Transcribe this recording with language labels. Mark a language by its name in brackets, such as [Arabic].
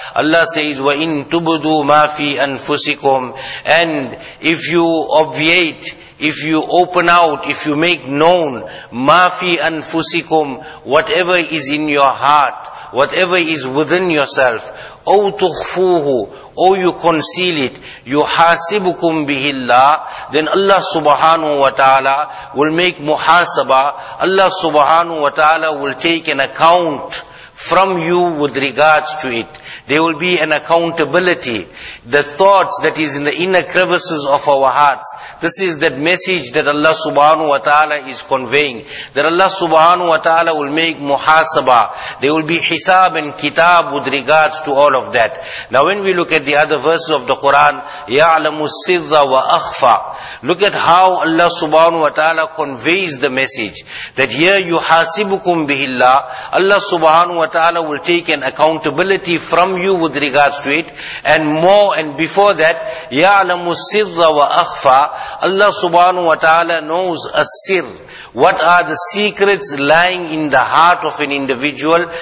[English] Allah says, [Arabic] وَإِن تُبُدُوا مَا فِي أَنفُسِكُمْ. [English] And if you obviate, if you open out, if you make known, [Arabic] مَا فِي أَنفُسِكُمْ, [English] whatever is in your heart, whatever is within yourself, [Arabic] أَوْ تُخْفُوهُ, [English] or you conceal it, [Arabic] يُحَاسِبُكُمْ بِهِ اللَّهِ, [English] then Allah subhanahu wa ta'ala will make muhasaba. Allah subhanahu wa ta'ala will take an account from you with regards to it. There will be an accountability. The thoughts that is in the inner crevices of our hearts, this is that message that Allah subhanahu wa ta'ala is conveying. That Allah subhanahu wa ta'ala will make muhasaba. There will be hisab and kitab with regards to all of that. Now when we look at the other verses of the Quran, [Arabic] يَعْلَمُ السِّرَّ وَأَخْفَى. [English] Look at how Allah subhanahu wa ta'ala conveys the message. That here [Arabic] يُحَاسِبُكُمْ بِهِ اللَّهِ. [English] Allah subhanahu wa ta'ala will take an accountability from you with regards to it. And more and before that, [Arabic] يَعْلَمُ السِّرَّ وَأَخْفَى. [English] Allah subhanahu wa ta'ala knows as-sir. What are the secrets lying in the heart of an individual?